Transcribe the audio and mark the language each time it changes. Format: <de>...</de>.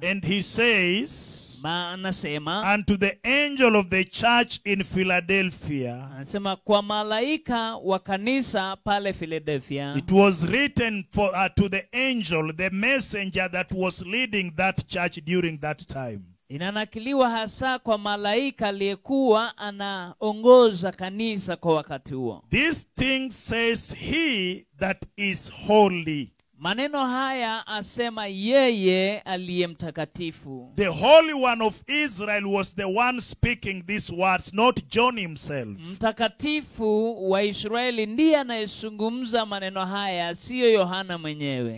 <en>And he says,</en> <sw>anasema,</sw> <en>unto the angel of the church in Philadelphia,</en> <sw>anasema, kwa malaika wa kanisa pale Philadelphia,</sw> <en>it was written for to the angel, the messenger that was leading that church during that time.</en> <sw>Inanakiliwa hasa kwa malaika aliyekuwa anaongoza kanisa kwa wakati huo.</sw> <en>This thing says he that is holy.</en> <sw>Maneno haya asema yeye aliyemtakatifu.</sw> <en>The Holy One of Israel was the one speaking these words, not John himself.</en> <sw>Mtakatifu wa Israeli ndiye anayezungumza maneno haya, sio Yohana mwenyewe.</sw>